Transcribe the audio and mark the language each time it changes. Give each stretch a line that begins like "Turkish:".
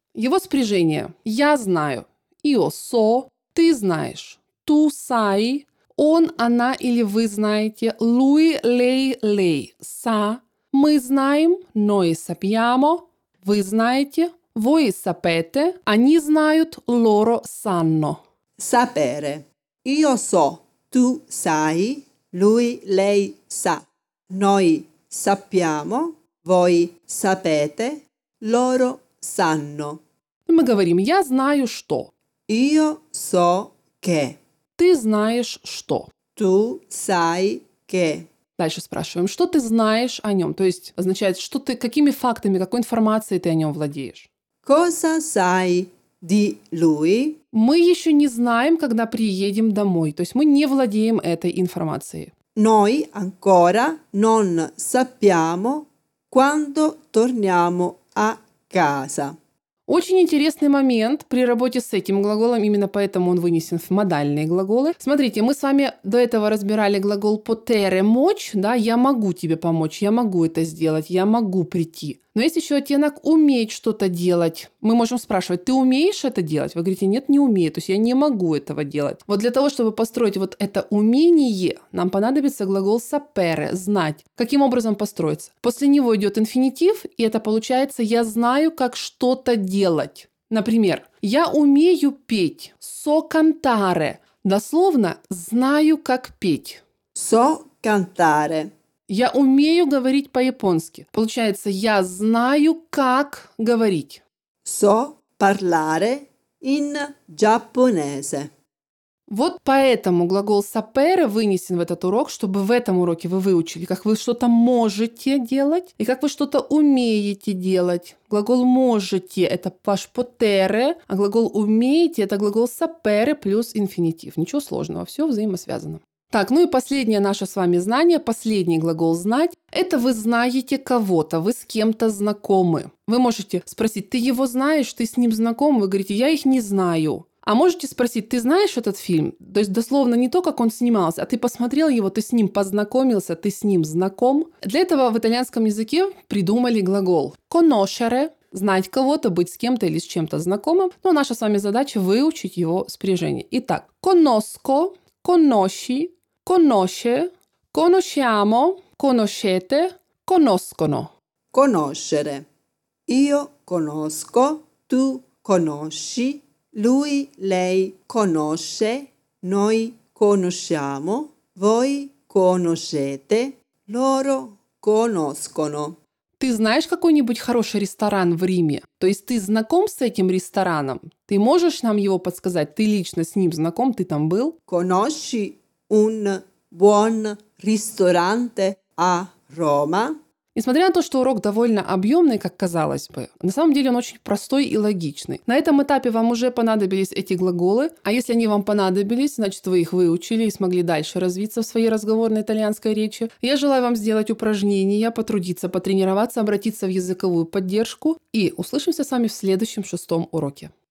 Russian: Его спряжение «я знаю»,
Italian: «io so»,
Russian: «ты знаешь»,
Italian: «tu sai»,
Russian: он, она или вы знаете,
Italian: lui, lei, lei, sa,
Russian: мы знаем,
Italian: noi sappiamo,
Russian: вы знаете,
Italian: voi sapete,
Russian: они знают,
Italian: loro sanno. Sapere. Io so, tu sai, lui, lei, sa, noi sappiamo, voi sapete, loro sanno.
Russian: Мы говорим, я знаю что.
Italian: Io so che.
Russian: Ты знаешь что?
Italian: Tu sai che.
Russian: Дальше спрашиваем, что ты знаешь о нем? То есть означает, что ты, какими фактами, какой информацией ты о нем владеешь?
Italian: Cosa sai di lui?
Russian: Мы еще не знаем, когда приедем домой. То есть мы не владеем этой информацией.
Italian: Noi ancora non sappiamo quando torniamo a casa.
Russian: Очень интересный момент при работе с этим глаголом, именно поэтому он вынесен в модальные глаголы. Смотрите, мы с вами до этого разбирали глагол potere мочь, да, я могу тебе помочь, я могу это сделать, я могу прийти. Но есть еще оттенок уметь что-то делать. Мы можем спрашивать, ты умеешь это делать? Вы говорите, нет, не умею, то есть я не могу этого делать. Вот для того, чтобы построить вот это умение, нам понадобится глагол sapere, знать. Каким образом построиться? После него идет инфинитив, и это получается, я знаю, как что-то делать. Например, я умею петь.
Italian: So cantare.
Russian: Дословно, знаю, как петь.
Italian: So cantare.
Russian: Я умею говорить по-японски. Получается, я знаю, как говорить.
Italian: So parlare in giapponese.
Russian: Вот поэтому глагол sapere вынесен в этот урок, чтобы в этом уроке вы выучили, как вы что-то можете делать и как вы что-то умеете делать. Глагол можете – это ваш potere, а глагол умеете – это глагол sapere плюс инфинитив. Ничего сложного, все взаимосвязано. Так, ну и последнее наше с вами знание, последний глагол «знать» – это вы знаете кого-то, вы с кем-то знакомы. Вы можете спросить, ты его знаешь, ты с ним знаком? Вы говорите, я их не знаю. А можете спросить, ты знаешь этот фильм? То есть дословно не то, как он снимался, а ты посмотрел его, ты с ним познакомился, ты с ним знаком. Для этого в итальянском языке придумали глагол «conoscere» – знать кого-то, быть с кем-то или с чем-то знакомым. Но наша с вами задача – выучить его спряжение.
Italian: Итак, «conosco» – conosci, conosce, conosciamo, conoscete, conoscono. Conoscere. Io conosco, tu conosci, lui, lei conosce, noi conosciamo, voi conoscete, loro conoscono.
Russian: Ты знаешь какой-нибудь хороший ресторан в Риме? То есть ты знаком с этим рестораном? Ты можешь нам его подсказать? Ты лично с ним знаком? Ты там был?
Italian: Conosci un buon ristorante a Roma?
Russian: Несмотря на то, что урок довольно объемный, как казалось бы, на самом деле он очень простой и логичный. На этом этапе вам уже понадобились эти глаголы, а если они вам понадобились, значит, вы их выучили и смогли дальше развиться в своей разговорной итальянской речи. Я желаю вам сделать упражнения, потрудиться, потренироваться, обратиться в языковую поддержку и услышимся с вами в следующем 6-м уроке.